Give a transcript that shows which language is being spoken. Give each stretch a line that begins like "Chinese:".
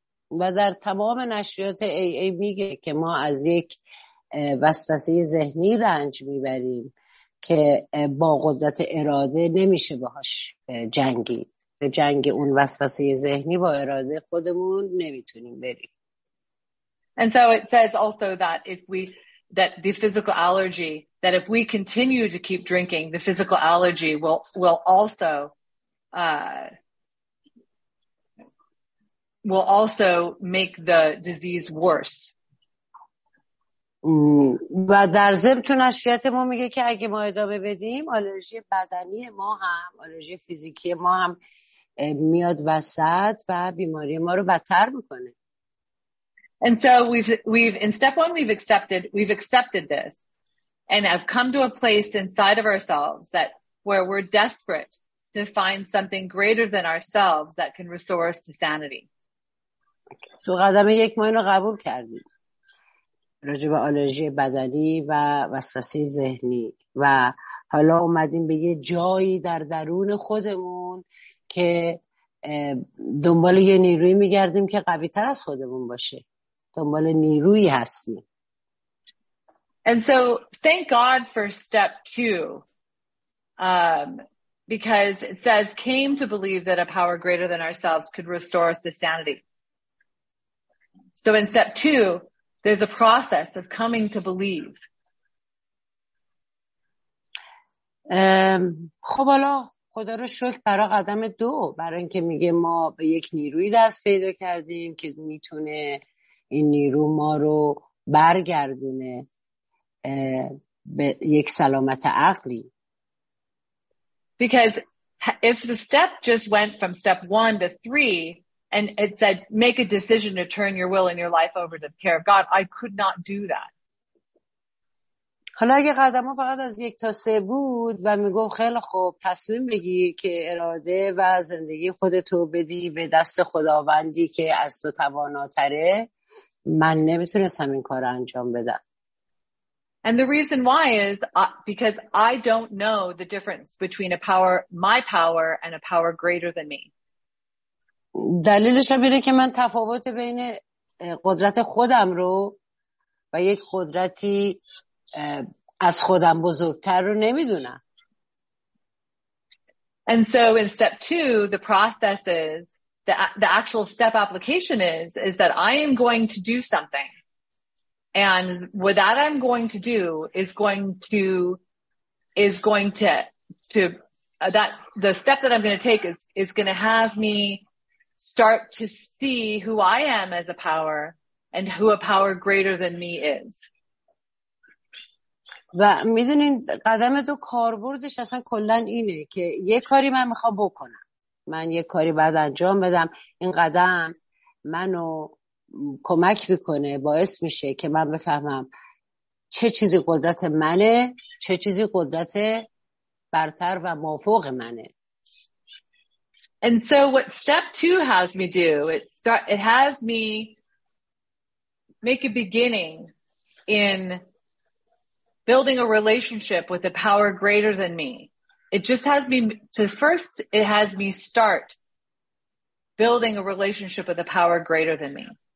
Persian: و در تمام نشریات AA میگه که ما از یک وسوسه ذهنی رنج میبریم که با قدرت اراده نمیشه باهاش جنگید. به جنگ اون وسوسه ذهنی با اراده خودمون نمیتونیم بریم.
English: And so it says also that if we that the physical allergy that if we continue to keep drinking, the physical allergy will also make the disease worse.
Persian: و در ضمن تو نشریات ما میگه که اگه ما ادامه بدیم آلرژی بدنی ما هم آلرژی فیزیکی ما هم میاد وسط و بیماری ما رو بدتر میکنه.
English: And so we've in step one we've accepted this and have come to a place inside of ourselves that where we're desperate to find something greater than ourselves that can restore us to sanity.
Persian: تو قدم یک ما اینو قبول کردیم راجع به آلرژی بدنی و وسوسه ذهنی و حالا اومدیم به یه جایی در درون خودمون که دنبال یه نیروی میگردیم که قوی تر از خودمون باشه دنبال نیروی هستیم.
English: And so thank God for step two because it says came to believe that a power greater than ourselves could restore us to sanity. So in step two, there's a process of coming to believe.
Persian: خب حالا خدا رو شکر برای قدم دو برای اینکه میگه ما به یک نیروی دست پیدا کردیم که میتونه این نیرو ما رو برگردونه به یک سلامت عقلی.
English: Because if the step just went from step one to three, and it said, make a decision to turn your will and your life over to the care of God. I could not do that.
Persian: حالا اگه قدم ها فقط از یک تا سه بود و میگم خیلی خوب تصمیم بگیر که اراده و زندگی خودتو بدی به دست خداوندی که از تو تواناتره من نمیتونستم این کار انجام بدم.
English: And the reason why is because I don't know the difference between my power and a power greater than me.
Persian: دلیلش هم اینه که من تفاوت بین قدرت خودم رو و یک قدرتی از خودم بزرگتر رو نمیدونم.
English: And so in step two, the process is, the actual step application is that I am going to do something. And what that I'm going to do is going to the step that I'm going to take is going to have me start to see who I am as a power and who a power greater than me is.
Persian: و میدونین قدم تو کاربردش اصلا کلا اینه که یه کاری من میخوام بکنم. من یه کاری بعد انجام بدم. این قدم منو کمک میکنه باعث میشه که من بفهمم چه چیزی قدرت منه، چه چیزی قدرت برتر و مافوق منه.
English: And so what step two has me do, it has me make a beginning in building a relationship with a power greater than me. It just has me, to first, it has me start building a relationship with a power greater than me.